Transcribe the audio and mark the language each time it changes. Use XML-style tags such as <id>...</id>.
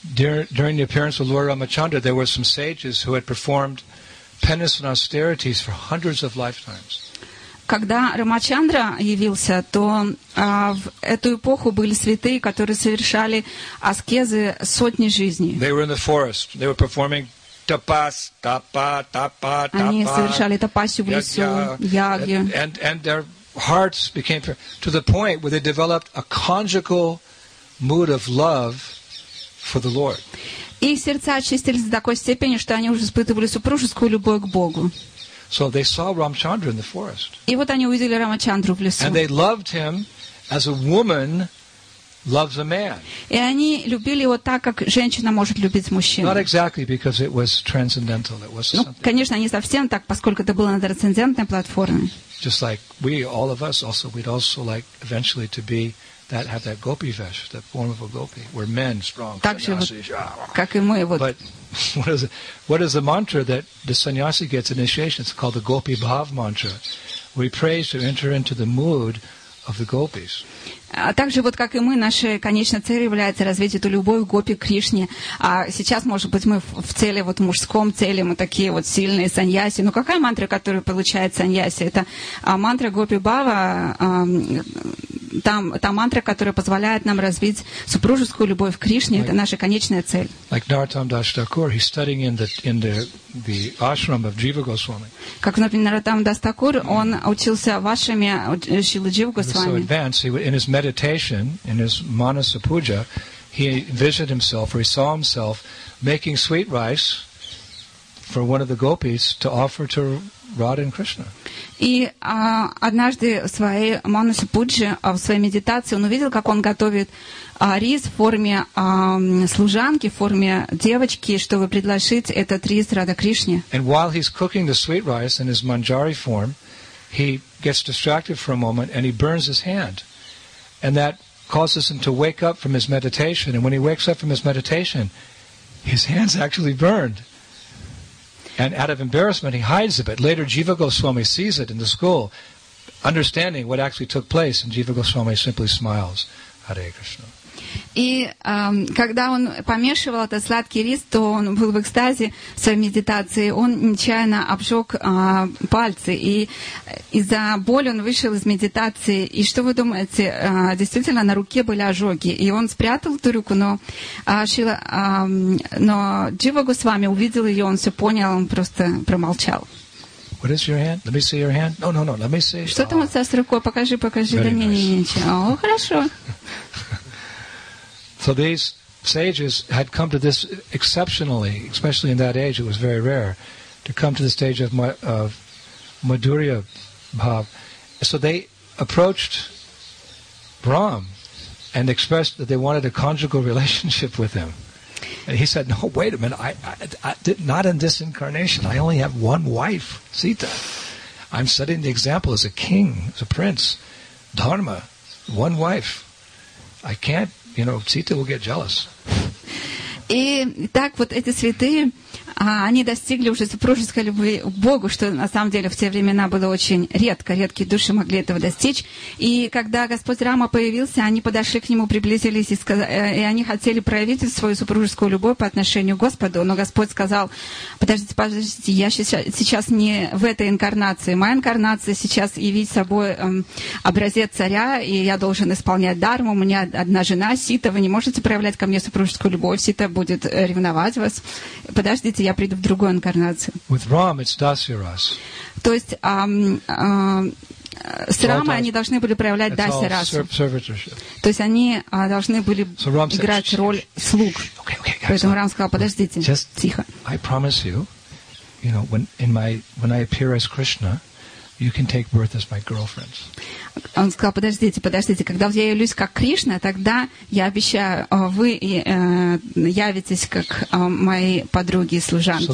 <en>During the appearance of Lord Ramachandra, there were some sages who had performed penance and austerities for hundreds of lifetimes.</en> <ru>Когда Рамачандра явился, то в эту эпоху были святые, которые совершали аскезы сотни жизней.</ru> <en>They were in the forest. They were performing tapas, tapa, tapa, tapa.</en> <ru>Они совершали тапасю в лесу, яги.</ru> <en>And their hearts became to the point where they developed a conjugal mood of love for the Lord.</en> <ru>И сердца очистились до такой степени, что они уже испытывали супружескую любовь к Богу.</ru> <en>So they saw Ramchandra in the forest.</en> <ru>И вот они увидели Рамачандру в лесу.</ru> <en>And they loved him as a woman loves a man.</en> <ru>И они любили его так, как женщина может любить мужчину.</ru> <en>Not exactly, because it was transcendental. It was something.</en> <ru>Ну, конечно, не совсем так, поскольку это было на трансцендентной платформе.</ru> <en>Just like we, all of us, also we'd also like eventually to be that, have that gopi vesh, that form of a gopi, where men strong.</en> <ru>Также вот, как и мы вот.</ru> <en>But what is the mantra that the sannyasi gets initiation? It's called the Gopi Bhav mantra. We pray to enter into the mood of the gopis.</en> <ru>Также вот как и мы, наша конечная цель является развить эту любовь к гопи Кришне. А сейчас, может быть, мы в цели вот мужском цели, мы такие вот сильные саньяси. Но какая мантра, которую получает саньяси? Это мантра гопи Бхава, та мантра, которая позволяет нам развить супружескую любовь к Кришне.</ru> <en>Like,</en> <ru>это наша конечная цель.</ru> <en>Like Narottam Das Thakur, he's studying in the ashram of Jiva Goswami.</en> <ru>Как Narottam Das Thakur, он учился в ашраме Шрилы Джива Госвами.</ru> <en>Meditation in his manasa puja, he envisioned himself, or he saw himself, making sweet rice for one of the gopis to offer to Radha and Krishna.</en> <ru>И однажды в своей манасе пуджи, в своей медитации, он увидел, как он готовит рис в форме служанки, в форме девочки, чтобы предложить этот рис Радха Кришне.</ru> <en>And while he's cooking the sweet rice in his manjari form, he gets distracted for a moment and he burns his hand. And that causes him to wake up from his meditation. And when he wakes up from his meditation, his hands actually burned. And out of embarrassment, he hides a bit. Later, Jiva Goswami sees it in the school, understanding what actually took place. And Jiva Goswami simply smiles, Hare Krishna.</en> <ru>И когда он помешивал этот сладкий рис, то он был в экстазе в своей медитации. Он нечаянно обжег пальцы. И из-за боли он вышел из медитации. И что вы думаете? Действительно, на руке были ожоги. И он спрятал эту руку, но Джива Госвами увидел ее, он все понял, он просто промолчал.</ru> <en>What is your hand? Let me see your hand. No, let me see.</en> <ru>Что там у тебя с рукой? Покажи.</ru> <en>Very</en> <ru>да</ru> <en>nice.</en> <ru>не. О, хорошо.</ru> <en>So these sages had come to this exceptionally, especially in that age, it was very rare, to come to the stage of Madhurya Bhav. So they approached Brahm and expressed that they wanted a conjugal relationship with him. And he said, no, wait a minute, not in this incarnation, I only have one wife, Sita. I'm setting the example as a king, as a prince, dharma, one wife. I can't, you know, Sita will get jealous.</en> <ru>И так вот эти святые они достигли уже супружеской любви к Богу, что на самом деле в те времена было очень редко, редкие души могли этого достичь. И когда Господь Рама появился, они подошли к Нему, приблизились, и они хотели проявить свою супружескую любовь по отношению к Господу. Но Господь сказал: подождите, подождите, я сейчас не в этой инкарнации. Моя инкарнация сейчас явить собой образец царя, и я должен исполнять дарму. У меня одна жена, Сита, вы не можете проявлять ко мне супружескую любовь, Сита будет ревновать вас. Подождите, я приду в другую инкарнацию.</ru> <en>With Ram, it's Dasyaras.</en> <ru>То есть с Рамой они должны были проявлять Дасирасу. То есть они должны были играть роль слуг. Поэтому Рам сказал: подождите, тихо.</ru> <en>I promise you, you know, when I appear as Krishna, you can take birth as my girlfriends.</en> <ru>Он сказал: подождите, подождите, когда я явлюсь как Кришна, тогда я обещаю, вы явитесь как мои подруги и служанки.</ru>